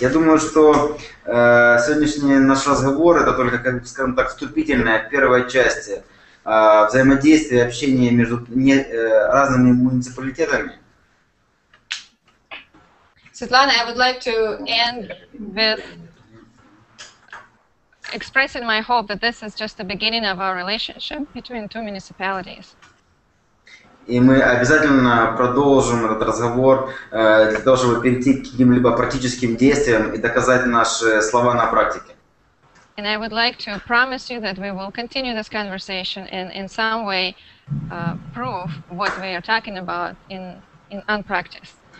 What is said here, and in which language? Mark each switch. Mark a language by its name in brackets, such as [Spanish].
[Russian] Я думаю, что сегодняшний наш разговор – это только, как бы, скажем так, вступительная первая часть взаимодействия, общения между разными муниципалитетами. [English] Светлана, I would like to end with expressing my hope that this is just the beginning of our relationship between two municipalities. [Russian] И мы обязательно продолжим этот разговор для того, чтобы перейти к каким-либо практическим действиям и доказать наши слова на практике. [English] And I would like to promise you that we will continue this conversation and in some way prove what we are talking about in practice.